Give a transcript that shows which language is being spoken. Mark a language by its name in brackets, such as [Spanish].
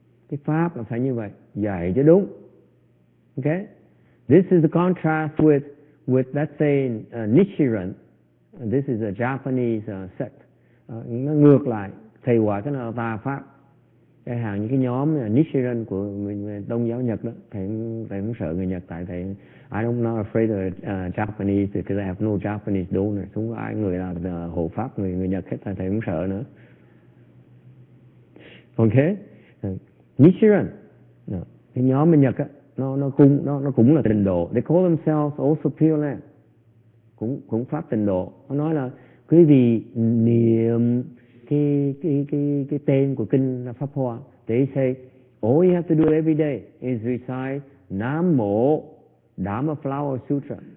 [Vietnamese] Cái pháp là phải như vậy, dạy cho đúng. [English] Okay? This is the contrast with let's say Nichiren. This is a Japanese sect. [Vietnamese] Nó ngược lại, thầy gọi cái nào tà pháp. Cái hàng những cái nhóm Nichiren của Đông giáo Nhật đó, thầy không sợ người Nhật, tại thầy [English] I don't not afraid of Japanese because I have no Japanese donors. [Vietnamese] Không có ai người là hộ pháp người Nhật hết, tại thầy không sợ nữa. Okay, Nichiren, cái nhóm bên Nhật á, nó cũng là tịnh độ. [English] They call themselves also Pure Land, [Vietnamese] cũng pháp tịnh độ. Nó nói là quý vị niệm cái tên của kinh là Pháp Hoa. [English] They say all you have to do every day is recite Nam Mô Dharma Flower Sutra.